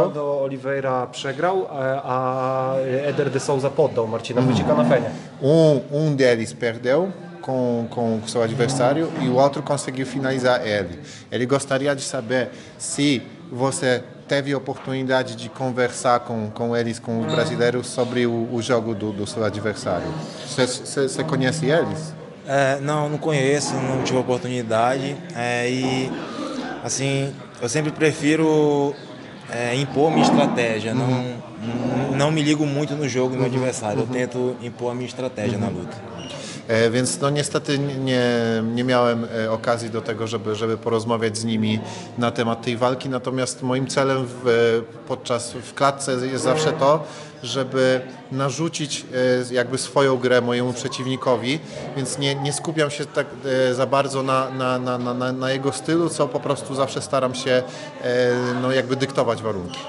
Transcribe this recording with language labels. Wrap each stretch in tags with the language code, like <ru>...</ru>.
<pl>Eduardo Oliveira przegrał, a Eder de Souza poddał Marcina Wójcika na fenie.</pl> <pt>Um deles perdeu com seu adversário e o outro conseguiu finalizar ele. Ele gostaria de saber se você teve oportunidade de conversar com eles, com os brasileiros, sobre o jogo do seu adversário. Você conhece eles? Não conheço, não tive oportunidade. E, assim, eu sempre prefiro impor minha estratégia. Não me ligo muito no jogo do meu adversário. Eu tento impor a minha estratégia na luta.</pt> <pl>Więc no niestety nie miałem okazji do tego, żeby porozmawiać z nimi na temat tej walki, natomiast moim celem w klatce jest zawsze to, żeby narzucić jakby swoją grę mojemu przeciwnikowi, więc nie skupiam się tak za bardzo na jego stylu, co po prostu zawsze staram się no jakby dyktować warunki.</pl>